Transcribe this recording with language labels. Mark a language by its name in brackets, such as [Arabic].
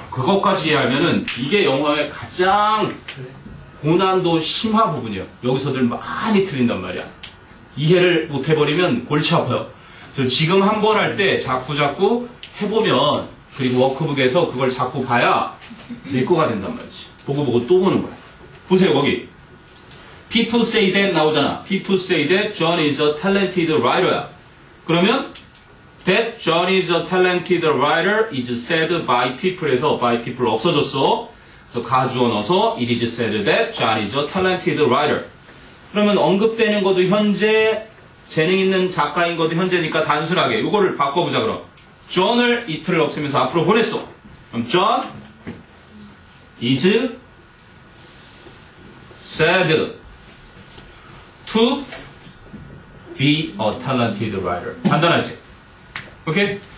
[Korean] 그것까지 이해하면은 이게 영어의 가장 고난도 심화 부분이에요. 여기서들 많이 틀린단 말이야. 이해를 못 해버리면 골치 아파요. 그래서 지금 한 번 할 때 자꾸 해보면 그리고 워크북에서 그걸 자꾸 봐야 내 거가 된단 말이지. 보고 또 보는 거야. 보세요, 거기. [English] People say that [Korean] 나오잖아. [English] People say that John is a talented writer야. [Korean] 그러면 [English] that John is a talented writer is said by people에서 by people [Korean] 없어졌어. 그래서 가주어 넣어서 [English] it is said that John is a talented writer. [Korean] 그러면 언급되는 것도 현재 재능 있는 작가인 것도 현재니까 단순하게 이거를 바꿔보자 그럼. John을 it를 없애면서 앞으로 보냈어. 그럼 [English] John is said to be a talented writer. [Korean] 간단하지? 오케이?